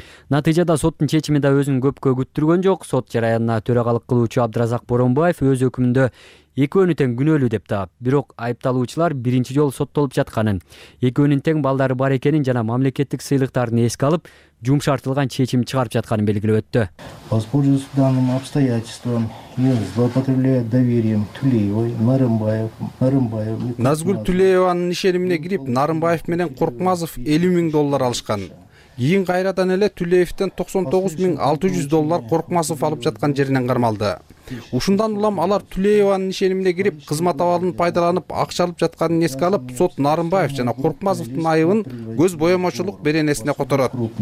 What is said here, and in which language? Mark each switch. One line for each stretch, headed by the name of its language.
Kyrgyz: Натыйжада соттун чечими да өзүн көпкө күттүргөн жок. Сот жараянына төрагалык кылуучу Абдыразак Боронбаев өз өкүмүндө экөөнү тең күнөөлүү деп таап, бирок айыпталуучулар биринчи жолу соттолуп жатканын, экөөнүн тең балдары бар экенин жана мамлекеттик сыйлыктарын эске алып жумшартылган чечим чыгарып жатканын белгилеп өттү.
Russian: Воспользуясь данным обстоятельством, я злоупотребляю доверием Тулеевой, Нарымбаев.
Kyrgyz: Назгүл Тулееванын ишенимине кирип, Нарымбаев менен Коркмазов 50,000 доллар алышкан. Кийин кайрадан эле Түлеевтен 99,600 доллар Коркмазов алып жаткан жеринен кармалды. Ушундан улам алар Түлееванын ишенимине кирип, кызмат абалын пайдаланып акча алып жатканын эске алып, сот Нарымбаев жана Коркмазовдун айыбын көз боемочулук беренесине которот.